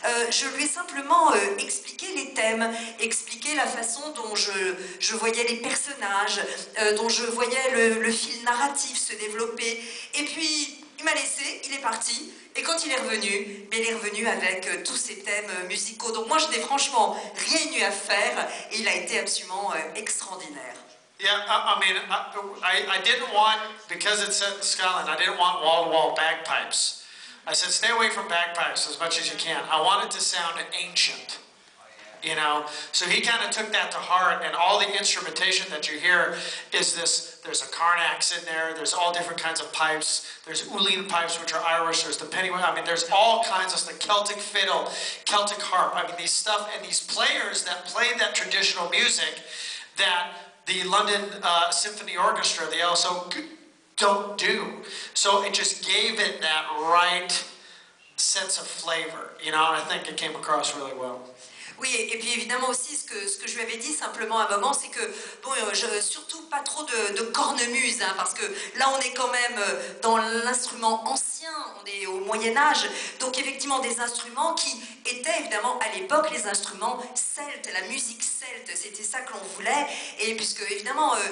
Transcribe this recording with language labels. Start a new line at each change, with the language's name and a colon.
French: Je lui ai simplement expliqué les thèmes, expliqué la façon dont je voyais les personnages, dont je voyais le fil narratif se développer. Et puis il m'a laissé, il est parti, et quand il est revenu avec tous ses thèmes musicaux. Donc moi je n'ai franchement rien eu à faire, et il a été absolument extraordinaire.
English: Yeah, I mean, I didn't want, because it's set in Scotland, I didn't want wall-to-wall bagpipes. I said, stay away from bagpipes as much as you can. I want it to sound ancient. You know, so he kind of took that to heart, and all the instrumentation that you hear is this, there's a Carnax in there, there's all different kinds of pipes, there's Uilleann pipes, which are Irish, there's the Pennywhistle, I mean, there's all kinds of the Celtic fiddle, Celtic harp, I mean, these stuff, and these players that play that traditional music that the London Symphony Orchestra, the LSO, don't do. So it just gave it that right sense of flavor, you know, and I think it came across really well.
French: Oui, et puis évidemment aussi, ce que je lui avais dit simplement à un moment, c'est que, bon, surtout pas trop de cornemuse, hein, parce que là, on est quand même dans l'instrument ancien, on est au Moyen-Âge, donc effectivement des instruments qui étaient évidemment à l'époque les instruments celtes, la musique celte, c'était ça que l'on voulait, et puisque évidemment,